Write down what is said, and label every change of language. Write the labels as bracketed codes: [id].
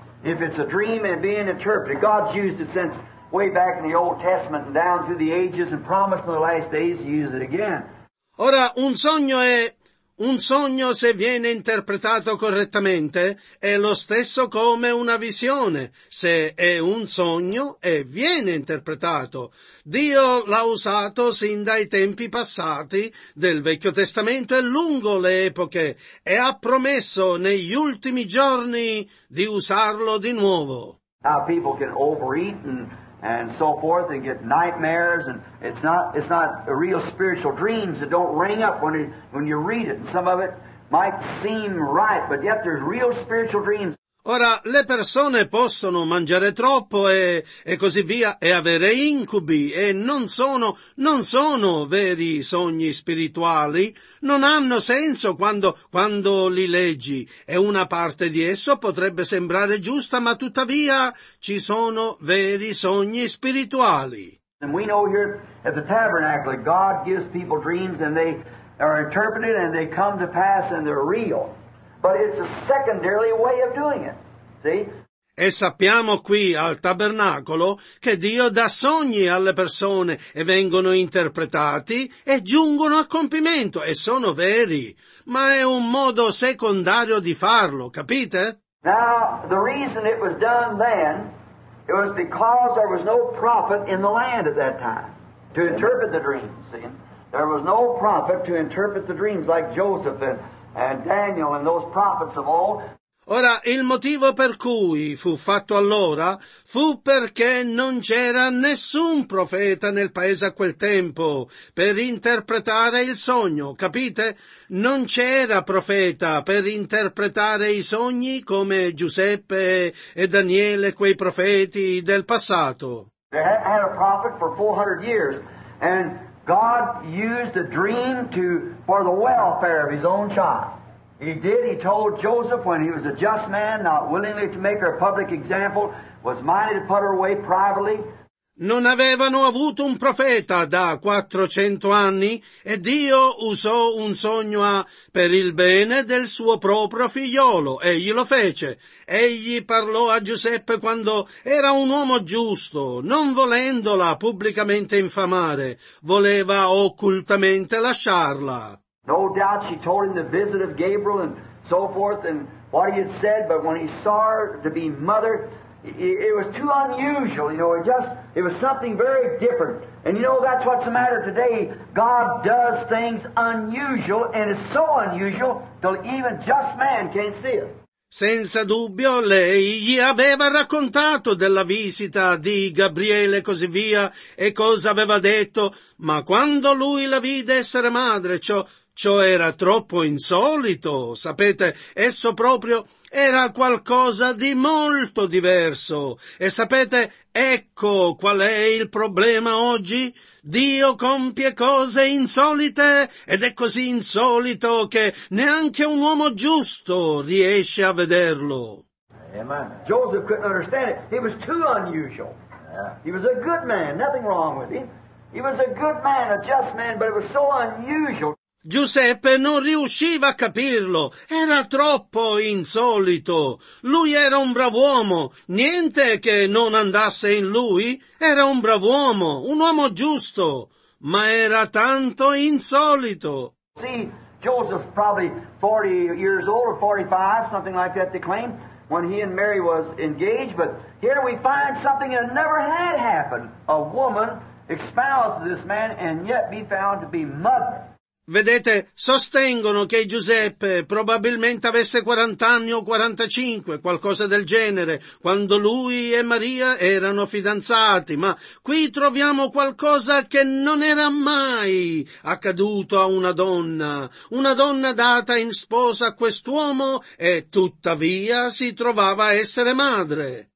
[en] If it's a dream and being interpreted, God's used it since way back in the Old Testament and down through the ages and promised in the last days to use it again. [it] Ora, un sogno è un sogno se viene interpretato correttamente, è lo stesso come una visione. Se è un sogno, e viene interpretato. Dio l'ha usato sin dai tempi passati del Vecchio Testamento e lungo le epoche, e ha promesso negli ultimi giorni di usarlo di nuovo. [en] How people can overeat and so forth and get nightmares, and it's not a real spiritual dreams that don't ring up when you read it. Some of it might seem right, but yet there's real spiritual dreams. [it] Ora, le persone possono mangiare troppo e così via e avere incubi e non sono veri sogni spirituali. Non hanno senso quando li leggi e una parte di esso potrebbe sembrare giusta, ma tuttavia ci sono veri sogni spirituali. [en] And we know here at the tabernacle God gives people dreams and they are interpreted and they come to pass and they're real. But it's a secondary way of doing it. See? [it] E sappiamo qui al tabernacolo che Dio dà sogni alle persone e vengono interpretati e giungono a compimento e sono veri, ma è un modo secondario di farlo, capite? [en] Now, the reason it was done then, it was because there was no prophet in the land at that time to interpret the dreams. See? There was no prophet to interpret the dreams like Joseph and Daniel and those prophets of old. [it] Ora, il motivo per cui fu fatto allora fu perché non c'era nessun profeta nel paese a quel tempo per interpretare il sogno, capite? Non c'era profeta per interpretare i sogni come Giuseppe e Daniele, quei profeti del passato. [en] They had a prophet for 400 years, and God used a dream for the welfare of his own child. He did. He told Joseph when he was a just man, not willingly to make her a public example, was minded to put her away privately. [it] Non avevano avuto un profeta da 400 anni e Dio usò un sogno per il bene del suo proprio figliolo. Egli lo fece. Egli parlò a Giuseppe quando era un uomo giusto, non volendola pubblicamente infamare. Voleva occultamente lasciarla. [en] No doubt she told him the visit of Gabriel and so forth and what he had said, but when he saw her to be mother, it was too unusual, you know, it was something very different. And you know, that's what's the matter today. God does things unusual, and it's so unusual till even just man can't see it. [it] Senza dubbio lei gli aveva raccontato della visita di Gabriele e così via, e cosa aveva detto, ma quando lui la vide essere madre, ciò era troppo insolito, sapete, esso proprio era qualcosa di molto diverso. E sapete, ecco qual è il problema oggi? Dio compie cose insolite ed è così insolito che neanche un uomo giusto riesce a vederlo. Amen. [en] Joseph couldn't understand it. He was too unusual. He was a good man, nothing wrong with him. He was a good man, a just man, but it was so unusual. [it] Giuseppe non riusciva a capirlo, era troppo insolito. Lui era un brav'uomo, niente che non andasse in lui, era un brav'uomo, un uomo giusto, ma era tanto insolito. [en] See, Joseph probably 40 years old or 45, something like that they claim, when he and Mary was engaged, but here we find something that never had happened. A woman espoused this man and yet be found to be mother. [it] Vedete, sostengono che Giuseppe probabilmente avesse 40 anni o 45, qualcosa del genere, quando lui e Maria erano fidanzati, ma qui troviamo qualcosa che non era mai accaduto a una donna data in sposa a quest'uomo e tuttavia si trovava a essere madre.